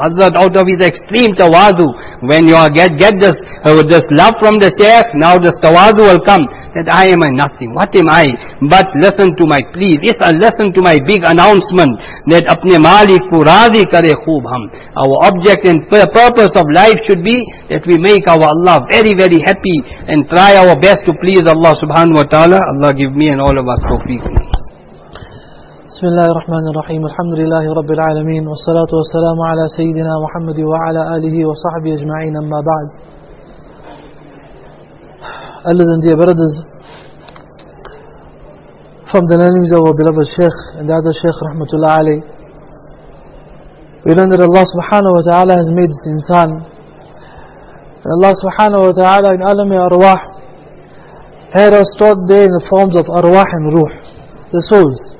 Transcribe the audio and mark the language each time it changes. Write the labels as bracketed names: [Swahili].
[English] Hazrat, out of his extreme tawadu, when you are get this love from the Shaykh, now this tawadu will come, that I am a nothing, what am I, but listen to my plea, listen to my big announcement, that [Urdu] apne malik ko razi kare khub hum. [English] Our object and purpose of life should be that we make our Allah very, very happy and try our best to please Allah subhanahu wa ta'ala. Allah give me and all of us tawfiq. [Arabic] بسم الله الرحمن الرحيم الحمد لله رب العالمين والصلاة والسلام على سيدنا محمد وعلى آله وصحبه أجمعين أما بعد. [English] Elders and dear brothers, from the names of our beloved Sheikh and the other Sheikh Rahmatullah Ali, we learn that Allah subhanahu wa ta'ala has made this insan, and Allah subhanahu wa ta'ala in alami arwah had us taught there in the forms of arwah and ruh, the souls.